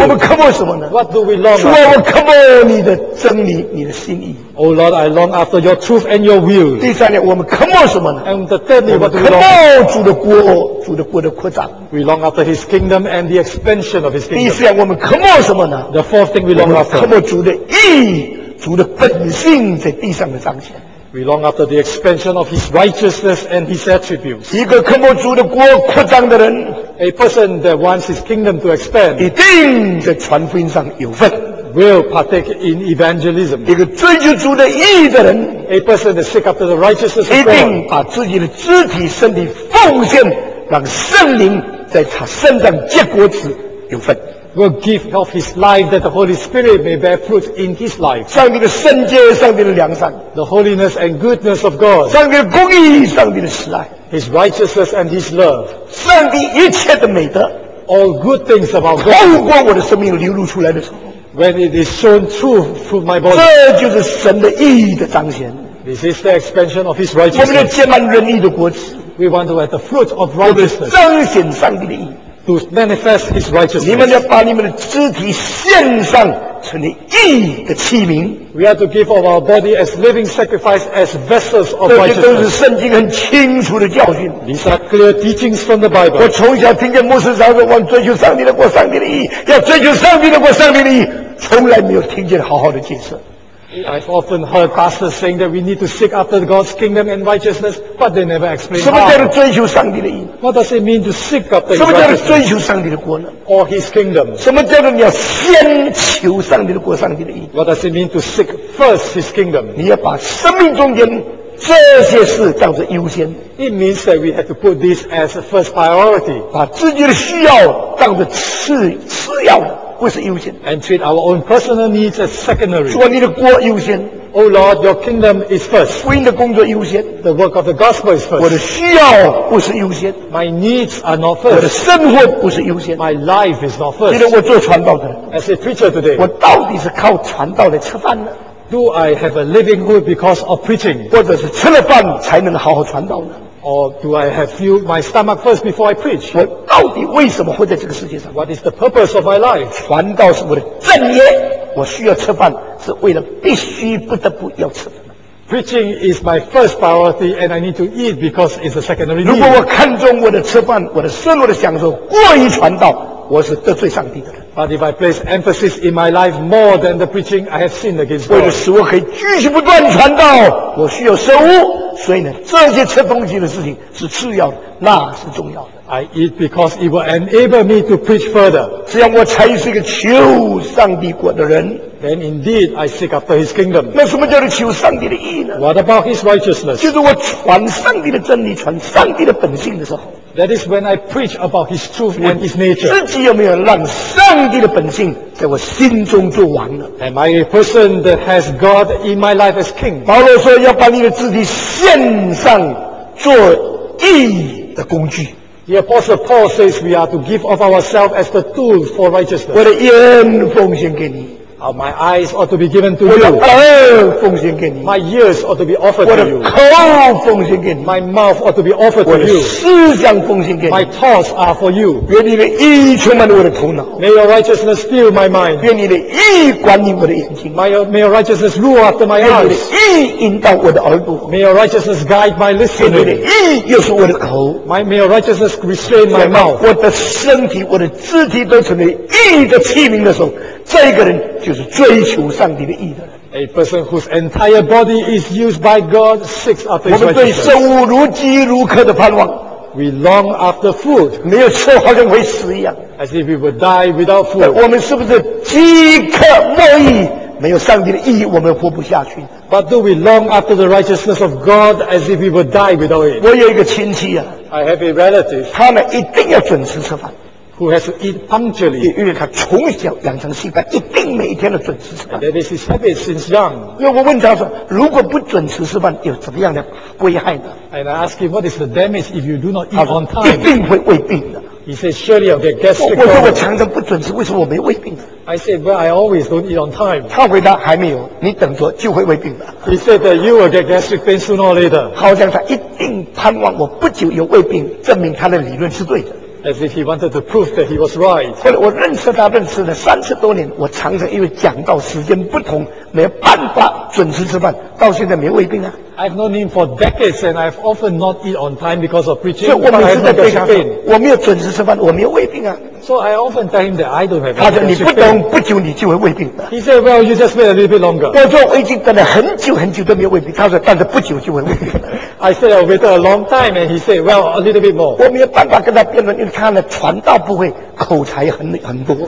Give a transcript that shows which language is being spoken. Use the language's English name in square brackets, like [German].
[Chinese] 我们渴慕什么呢 [English] What do we long after? [Chinese] 主啊我渴慕你的真理你的心意 [English] Oh Lord I long after your truth and your will. [Chinese] 第三点我们渴慕什么呢 [English] And the thirdly what do we long after? [Chinese] 我们渴慕主的国主的国的扩展 [English] We long after his kingdom and the expansion of his kingdom. [Chinese] 第四点我们渴慕什么呢 [English] The fourth thing we long after. [Chinese] 我们渴慕主的义主的本性在地上的彰显 [English] We long after the expansion of His righteousness and His attributes. [Chinese] 一个渴慕主的国扩张的人 [English] ，a person that wants His kingdom to expand， [Chinese] 一定在传福音上有份 [English] ，will partake in evangelism. [Chinese] 一个追求主的义的人 [English] ，a person that seeks after the righteousness of God， [Chinese] 一定把自己的肢体、身体奉献，让圣灵在他身上结果子有份。 [English] Will give of his life that the Holy Spirit may bear fruit in his life. [Chinese] 上帝的圣洁，上帝的良善 [English] The holiness and goodness of God. [Chinese] 上帝的公义，上帝的慈爱 [English] His righteousness and his love. [Chinese] 上帝一切的美德 [English] All good things about God. [Chinese] 透过我的生命流露出来的时候 [English] When it is shown through my body. [Chinese] 这就是神的义的彰显 [English] This is the expansion of his righteousness. [Chinese] 我们要结满仁义的果子 [English] We want to have the fruit of righteousness. [Chinese] 彰显上帝的义 [English] To manifest his righteousness. [Chinese] 你们要把你们的肢体献上成为义的器皿。 [English] We are to give of our body as living sacrifice as vessels of righteousness. [Chinese] 这些都是圣经很清楚的教训。 [English] These are clear teachings from the Bible. [Chinese] 我从小听见牧师常说，我们追求上帝的国、上帝的义，要追求上帝的国、上帝的义，从来没有听见好好的解释。 [English] I've often heard pastors saying that we need to seek after God's kingdom and righteousness, but they never explain how. [Chinese] 什么叫做追求上帝的义 [English] What does it mean to seek after His righteousness? [Chinese] 什么叫做追求上帝的国呢 [English] Or His kingdom? [Chinese] 什么叫做你要先求上帝的国、上帝的义 [English] What does it mean to seek first His kingdom? [Chinese] 你要把生命中间这些事当作优先 [English] It means that we have to put this as a first priority. [Chinese] 把自己的需要当作次要的不是优先 [English] and treat our own personal needs as secondary [Chinese] 说你的国优先 [English] Oh Lord, your kingdom is first [Chinese] 福音的工作优先 [English] The work of the gospel is first [Chinese] 我的需要不是优先 [English] My needs are not first [Chinese] 我的生活不是优先 [English] My life is not first [Chinese] 今天我做传道的 [English] As a preacher today [Chinese] 我到底是靠传道来吃饭呢 [English] Do I have a living hood because of preaching [Chinese] 或者是吃了饭才能好好传道呢 [English] Or do I have filled my stomach first before I preach [Chinese] 到底为什么会在这个世界上 [English] What is the purpose of my life? [Chinese] 传道是我的正业我需要吃饭是为了必须不得不要吃饭 [English] Preaching is my first priority and I need to eat because it's a secondary need [Chinese] 如果我看重我的吃饭我的生活的享受过于传道我是得罪上帝的人 [English] But if I place emphasis in my life more than the preaching I have sinned against God [Chinese] 为了使我可以继续不断传道我需要食物所以呢这些吃东西的事情是次要的那是重要的 [English] I eat because it will enable me to preach further. [Chinese] 这样我才是一个求上帝国的人。 [English] Then indeed I seek after His kingdom. [Chinese] 那什么叫做求上帝的义呢 [English] ？What about His righteousness? [Chinese] 就是我传上帝的真理，传上帝的本性的时候。 [English] That is when I preach about His truth and His nature. [Chinese] 自己有没有让上帝的本性在我心中做王呢 [English] ？Am I a person that has God in my life as king? [Chinese] 保罗说要把你的肢体献上，做义的工具。 [English] The Apostle Paul says we are to give of ourselves as the tool for righteousness. [Chinese] 我的一切奉献给你。 [English] My eyes ought to be given to you. [Chinese] 我的耳奉献给你。 [English] My ears ought to be offered to you. [Chinese] 我的口奉献给你。 [English] My mouth ought to be offered to you. [Chinese] 我的思想奉献给你。 [English] My thoughts are for you. [Chinese] 愿你的意充满我的头脑。 [English] May your righteousness fill my mind. [Chinese] 愿你的意管理我的眼睛。 [English] May your righteousness rule after my eyes. [Chinese] 愿你的意引导我的耳朵。 [English] May your righteousness guide my listening. [Chinese] 愿你的意又是我的口。 [English] May your righteousness restrain my mouth. [Chinese] 我的身体、我的肢体都成为意的器皿的时候，这个人就是追求上帝的意的。 [English] A person whose entire body is used by God seeks after His righteousness. [Chinese] 我们对生物如饥如渴的盼望。 [English] We long after food. [Chinese] 没有吃好像会死一样。 [English] As if we would die without food. [Chinese] 我们是不是饥渴莫义？没有上帝的意，我们活不下去。 [English] But do we long after the righteousness of God as if we would die without it? [Chinese] 我有一个亲戚啊。 [English] I have a relative. [Chinese] 他们一定要准时吃饭。 [English] Who has to eat punctually? [Chinese] 因为他从小养成习惯，一定每天都准时吃饭。 [English] That is his habit since young. [Chinese] 因为我问他说，如果不准时吃饭，有怎么样的危害呢？ [English] And I ask him, what is the damage if you do not eat on time? [Chinese] 一定会胃病的。 [English] He says, surely I'll get gastric. [Chinese] 我说我常常不准时，为什么我没胃病？ [English] I said, well, I always don't eat on time. [Chinese] 他回答还没有，你等着就会胃病的。 [English] He said that you will get gastric pain sooner or later. [Chinese] 好像他一定盼望我不久有胃病，证明他的理论是对的。 [English] As if he wanted to prove that he was right. [Chinese] 后来我认识他，认识了30多年，我常常因为讲到时间不同，没有办法准时吃饭，到现在没胃病啊。 [English] I've known him for decades, and I've often not eat on time because of preaching. [Chinese] 所以我每次在对他说，我没有准时吃饭，我没有胃病啊。 [English] So I often tell him that I don't have. [Chinese] 他说你不懂，不久你就会胃病的。 [English] He said, "Well, you just wait a little bit longer." [Chinese] 我说我已经等了很久很久都没有胃病。他说，但是不久就会胃病。 [English] I said, "I waited a long time," and he said, "Well, a little bit more." [Chinese] 我没有办法跟他辩论，因为他呢传道不会，口才很多。